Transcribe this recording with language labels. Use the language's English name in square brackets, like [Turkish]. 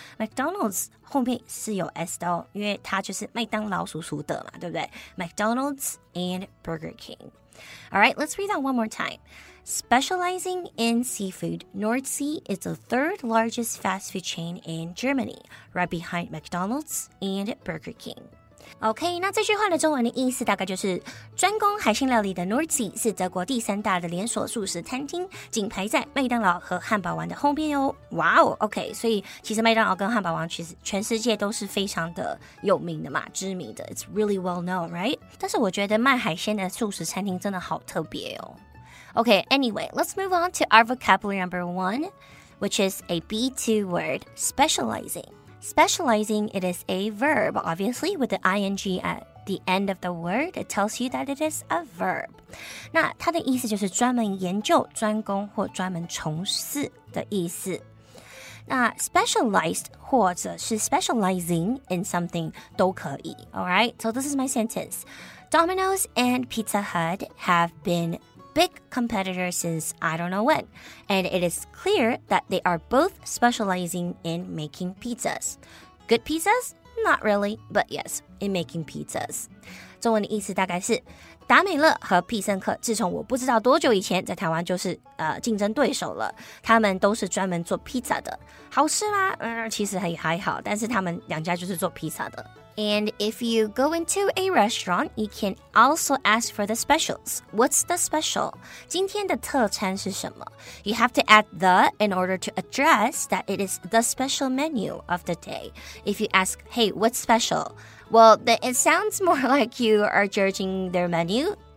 [Chinese] McDonald's 后面是有 S 的哦，因为它就是麦当劳叔叔的嘛，对不对？ [English] McDonald's and Burger King. All right, let's read that one more time. Specializing in seafood, Nordsee is the third largest fast food chain in Germany, right behind McDonald's and Burger King. [Chinese] OK, 那这句话的中文的意思大概就是专攻海鲜料理的 Nordsee 是德国第三大的连锁素食餐厅，仅排在麦当劳和汉堡王的后面哦。哇哦 ,OK, 所以其实麦当劳跟汉堡王其实全世界都是非常的有名的嘛，知名的。 [English] It's really well known, right? [Chinese] 但是我觉得卖海鲜的素食餐厅真的好特别哦。 [English] Okay, anyway, let's move on to our vocabulary number one, which is a B2 word, specializing. Specializing, it is a verb, obviously, with the ing at the end of the word. It tells you that it is a verb. [Chinese] 那它的意思就是专门研究、专攻或专门从事的意思。那 specialized 或者是 [English] specializing in something [Chinese] 都可以。 [English] All right, so this is my sentence. Domino's and Pizza Hut have beenBig competitor since I don't know when, and it is clear that they are both specializing in making pizzas. Good pizzas? Not really, but yes, in making pizzas. [Chinese] 中文的意思大概是，达美乐和必胜客自从我不知道多久以前在台湾就是竞争对手了，他们都是专门做 pizza 的，好吃吗？其实还好，但是他们两家就是做 pizza 的。 [English] And if you go into a restaurant, you can also ask for the specials. What's the special? [Chinese] 今天的特餐是什么? [English] You have to add the in order to address that it is the special menu of the day. If you ask, hey, what's special? Well, it sounds more like you are judging their menu.